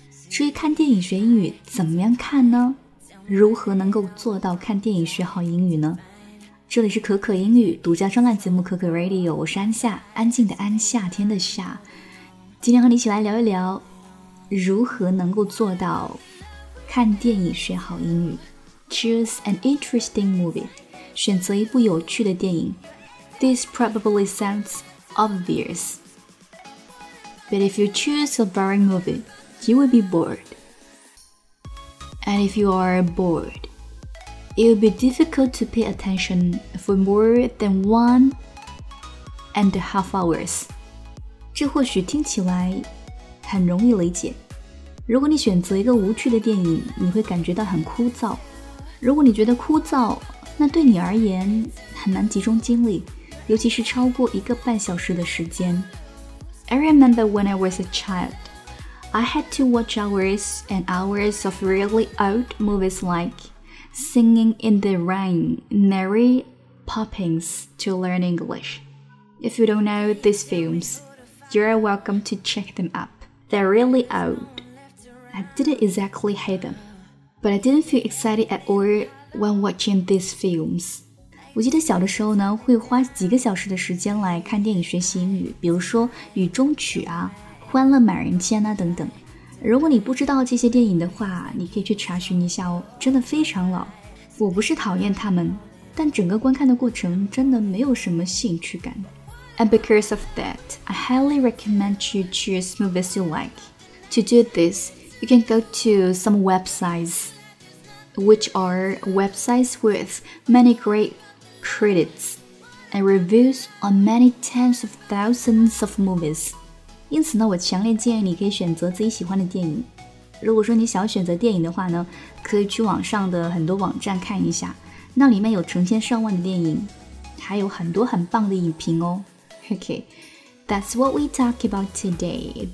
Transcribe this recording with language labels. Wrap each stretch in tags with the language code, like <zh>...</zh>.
<zh>至于看电影学英语怎么样看呢？如何能够做到看电影学好英语呢？这里是可可英语独家专栏节目可可 Radio， 我是安夏，安静的安，夏天的夏。今天和你一起来聊一聊如何能够做到看电影学好英语。</zh> <en>Choose an interesting movie，</en> <zh>选择一部有趣的电影。</zh> <en>This probably sounds obvious， but if you choose a boring movie you will be bored， and if you are bored it will be difficult to pay attention for more than 1.5 hours。</en> <zh>这或许听起来很容易理解，如果你选择一个无趣的电影，你会感觉到很枯燥。如果你觉得枯燥，那对你而言很难集中精力，尤其是超过一个半小时的时间。</zh> <en>I remember when I was a child, I had to watch hours and hours of really old movies like Singing in the Rain, Mary Poppins to learn English. If you don't know these films, you're welcome to check them up. They're really old. I didn't exactly hate them, but I didn't feel excited at all when watching these films.</en> <zh>我记得小的时候呢，会花几个小时的时间来看电影学习英语，比如说《雨中曲》啊，《欢乐满人间》啊等等。如果你不知道这些电影的话，你可以去查询一下哦，真的非常老。我不是讨厌他们，但整个观看的过程真的没有什么兴趣感。</zh> <en>And because of that, I highly recommend you choose movies you like. To do this,You can go to some websites, which are websites with many great critics and reviews on many tens of thousands of movies.</en> <zh>因此呢，我强烈建议你可以选择自己喜欢的电影。如果说你想要选择电影的话呢，可以去网上的很多网站看一下，那里面有成千上万的电影，还有很多很棒的影评哦。</zh> <en>Okay, that's what we talk about today.</en>